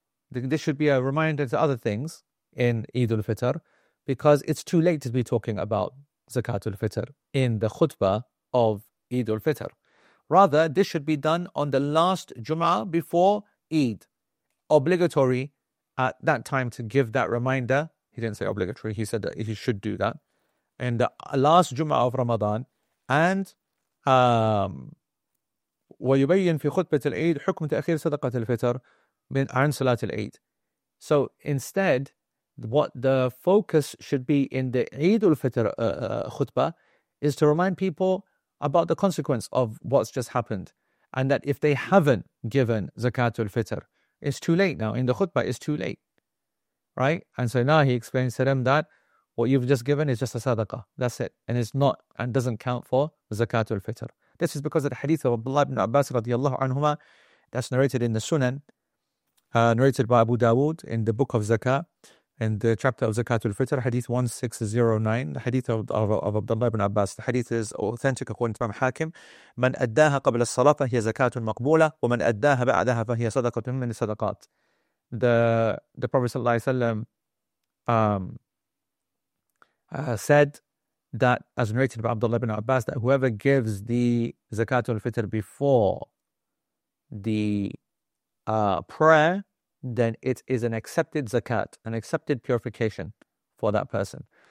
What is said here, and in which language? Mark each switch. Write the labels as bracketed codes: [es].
[en] This should be a reminder to other things in Eid al-Fitr, because it's too late to be talking about Zakat al-Fitr in the khutbah of Eid al-Fitr. Rather, this should be done on the last Jum'ah before Eid. Obligatory at that time to give that reminder. He didn't say obligatory, he said that he should do that. In the last Jum'ah of Ramadan, and [ar] وَيُبَيِّن فِي خُطْبَةِ الْعِيدِ حُكْمْ تَأْخِيرِ صَدَقَةِ الْفِطْرِ مِنْ عَنْ صَلَاةِ الْعِيدِ. [en] So instead, what the focus should be in the Eid al-Fitr khutbah is to remind people about the consequence of what's just happened, and that if they haven't given Zakat al-Fitr, it's too late now. In the khutbah, it's too late. Right? And so now he explains to them that what you've just given is just a sadaqah. That's it. And it's not, and doesn't count for Zakat al-Fitr. This is because of the hadith of Abdullah ibn Abbas radiallahu anhuma, that's narrated in the Sunan, narrated by Abu Dawood in the book of Zakah, in the chapter of Zakat al-Fitr, hadith 1609, the hadith of Abdullah ibn Abbas. The hadith is authentic according to Imam Hakim. [ar] من أداها قبل الصلاة فهي زكاة مقبولة ومن أداها بعدها فهي صدقة من الصدقات. [en] The Prophet [ar] صلى الله عليه وسلم [en] said that, as narrated by Abdullah ibn Abbas, that whoever gives the Zakat al-Fitr before the prayer, then it is an accepted Zakat, an accepted purification for that person.